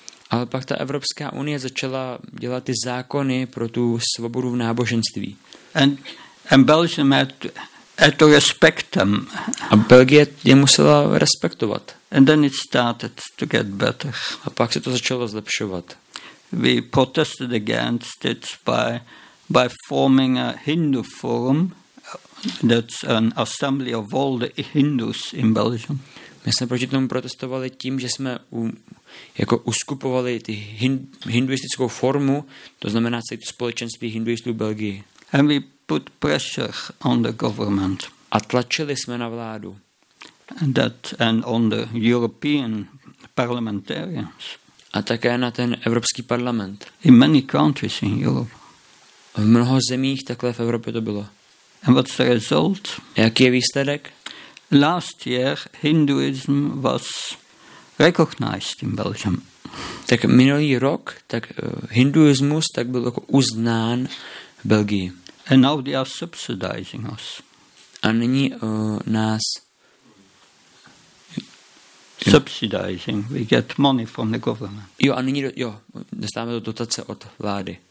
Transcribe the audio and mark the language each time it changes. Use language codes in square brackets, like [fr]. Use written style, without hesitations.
[cs] Ale pak ta Evropská unie začala dělat ty zákony pro tu svobodu v náboženství. [en] And Belgium had to respect them. [cs] A Belgie je musela respektovat. [en] And then it started to get better. [cs] A pak se to začalo zlepšovat. [en] We protested against it by forming a Hindu forum. That's an assembly of all the Hindus in Belgium. [cs] My jsme proti tomu protestovali tím, že jsme uskupovali ty hinduistickou formu, to znamená celé to společenství hinduistů v Belgii. [en] And we put pressure on the government. [cs] A tlačili jsme na vládu. [en] And on the European parliamentarians. [cs] A také na ten Evropský parlament. [en] In many countries in Europe. [cs] V mnoho zemích takhle v Evropě to bylo. [en] And what's the result? [cs] Jaký je výsledek? [en] Last year Hinduism was recognized in Belgium. [cs] Tak minulý rok tak hinduismus tak byl jako uznán v Belgii. [en] And now they are subsidizing us. [cs] A nyní nás [en] subsidizing. We get money from the government. [cs] Jo, a nyní dostáváme to dotace od vlády.